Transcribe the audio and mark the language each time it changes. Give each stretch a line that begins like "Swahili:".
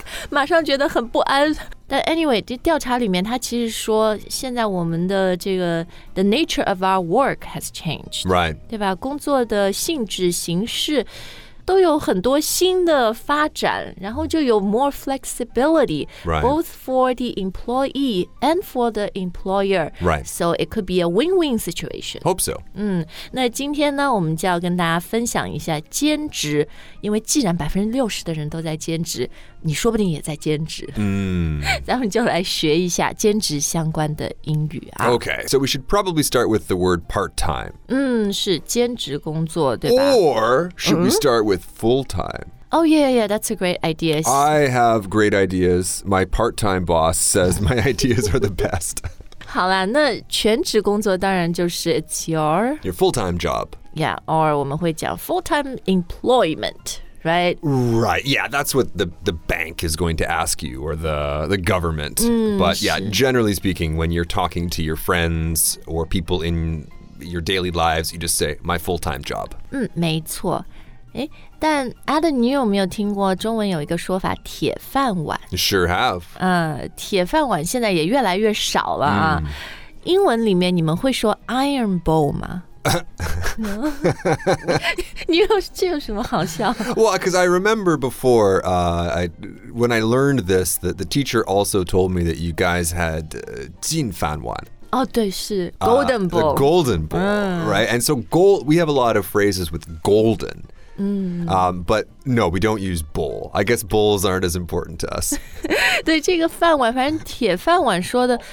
Chinese: 马上觉得很不安。但 anyway, 这调查里面他其实说现在我们的这个
English: the nature of our work has changed. Right.
Chinese: 对吧？工作的性质形式都有很多新的发展，然后就有
English: more flexibility, right. both for the employee and for the employer. Right. So it could be a win-win situation. Hope so.
Chinese: 那今天呢，我们就要跟大家分享一下兼职，因为既然60%的人都在兼职，你说不定也在兼职。咱们就来学一下兼职相关的英语啊。
English: Okay, so we should probably start with the word part-time.
Chinese: 是兼职工作，对吧？
English: Or should we start with full-time? Oh, yeah, that's a great idea. I have great ideas. My part-time boss says my ideas are the best.
Chinese: 好啦，那全职工作当然就是
English: it's your... Your full-time job. Yeah, or
Chinese: 我们会讲
English: full-time employment, right? Right, yeah, that's what the bank is going to ask you, or the government. But yeah, generally speaking, when you're talking to your friends or people in your daily lives, you just say, my full-time job.
Chinese: 没错。但 Adam, 你有没有听过中文有一个说法铁饭碗
English: Sure have.
Chinese: 铁饭碗现在也越来越少了啊。英文里面你们会说 iron bowl 吗这有什么好笑
English: Well, because I remember before, when I learned this, that the teacher also told me that you guys had 金饭碗
Chinese: 对是 golden bowl.
English: The golden bowl,right? And so gold, we have a lot of phrases with golden. But no, we don't use bowl. I guess bowls aren't as important to us.
Chinese: 对这个饭碗，反正铁饭碗说的。